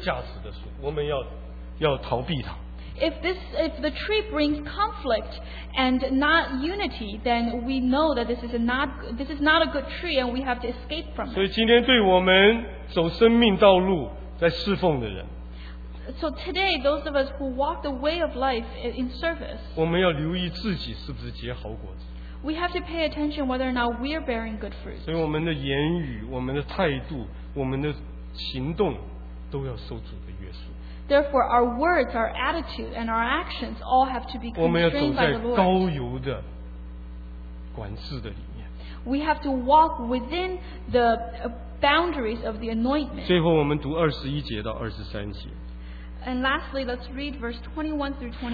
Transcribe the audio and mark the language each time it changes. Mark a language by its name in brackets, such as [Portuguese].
[Chinese] 如果它带来的是纷争，是嫉妒，是彼此之间的不和睦，弟兄姊妹，那个是没有价值的树，我们要逃避它。 [English] If the tree brings conflict and not unity, then we know that this is not a good tree, and we have to escape from it. [Chinese] 所以今天对我们走生命道路在侍奉的人。 [English] So today, those of us who walk the way of life in service, [Chinese] 我们要留意自己是不是结好果子。 [English] We have to pay attention whether or not we are bearing good fruit. [Chinese] 所以我们的言语、我们的态度、我们的行动都要受主的约束。 [English] Therefore, our words, our attitude, and our actions all have to be constrained by the Lord. [Chinese] 我们要走在高油的管制的里面。 [English] We have to walk within the boundaries of the anointment. [Chinese] 最后我们读21节到23节。 [English] And lastly, let's read verse 21 through